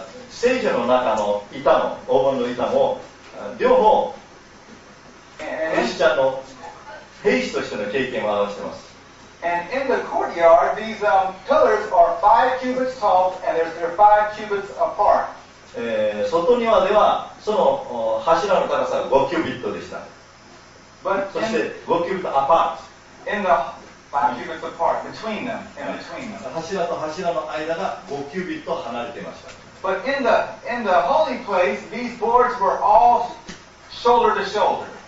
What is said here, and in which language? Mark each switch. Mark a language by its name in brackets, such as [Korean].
[Japanese] 聖樹の中の板も黄金の板も両方クリスチャンの兵士としての経験を表しています。 [English] And in the courtyard, these pillars are 5 cubits tall, and they're 5 cubits apart. [Japanese] 外庭ではその柱の高さが5キュビットでした。 [English] But [Japanese] そして5キュビット apart. [English] In the 5 cubits apart, between them, in between them. [Japanese] 柱と柱の間が5キュビット離れていました。 [English] But in the holy place, these boards were all shoulder to shoulder.